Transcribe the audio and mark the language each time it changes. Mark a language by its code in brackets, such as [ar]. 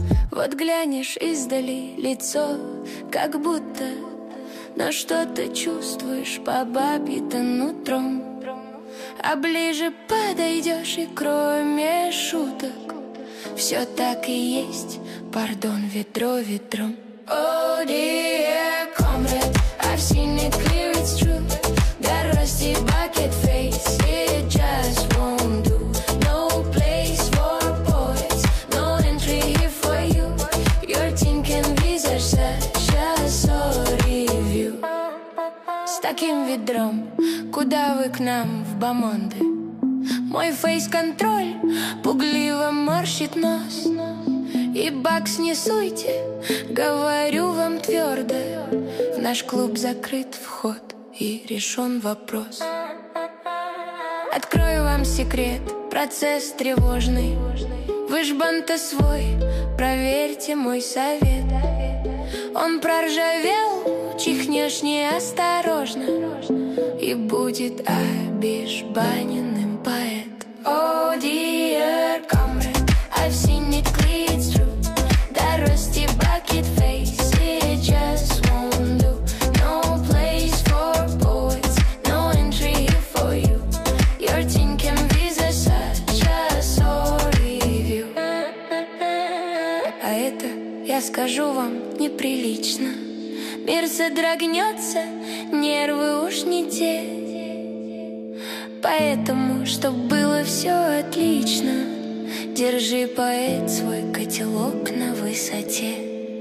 [ru] Вот глянешь издали лицо, как будто, но что-то чувствуешь по бабе-то нутром. А ближе подойдешь, и кроме шуток, все так и есть, пардон, ведро ветром. [en] Oh, dear comrade, I've seen it clear, it's true. That rusty bucket face, it just won't do. No place for poets, no entry here for you. Your thinking visa such a sorry view. [ru] С таким ведром, куда вы к нам в бомонды? Мой фейс-контроль пугливо морщит нос. И бакс не суйте, говорю вам твердо. В наш клуб закрыт вход и решен вопрос. Открою вам секрет, процесс тревожный. Вы ж бан-то свой, проверьте мой совет. Он проржавел, чихнешь неосторожно, и будет обижбаненным поэт. [en] Oh, dear comrade, I've seen it clear, it's true. Rusty bucket face, it just won't do. No place for poets, no entry for you. Your thinking visa such a sorry view. [ru] А это, я скажу вам, неприлично. Мир содрогнется, нервы уж не те. Поэтому, чтоб было все отлично, держи, поэт, свой котелок на высоте.